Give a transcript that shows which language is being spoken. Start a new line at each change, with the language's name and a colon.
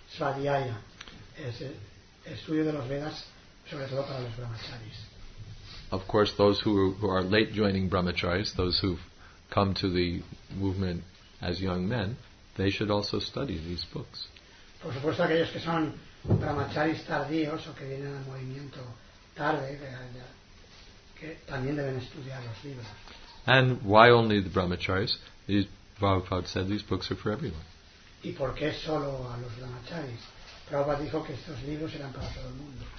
Spanish: Svadhyaya, es el estudio de los Vedas, sobre todo para los brahmacharis.
English: Of course, those who are late joining brahmacharis, those who've come to the movement as young men, they should also study these books.
Spanish: Por supuesto, aquellos que son brahmacharis tardíos o que vienen al movimiento tarde, que también deben estudiar los libros.
English: And why only the brahmacharis? These, Prabhupada said these books are for everyone.
Spanish: ¿Y por qué solo a los brahmacharis? Prabhupada dijo que estos libros eran para todo el mundo.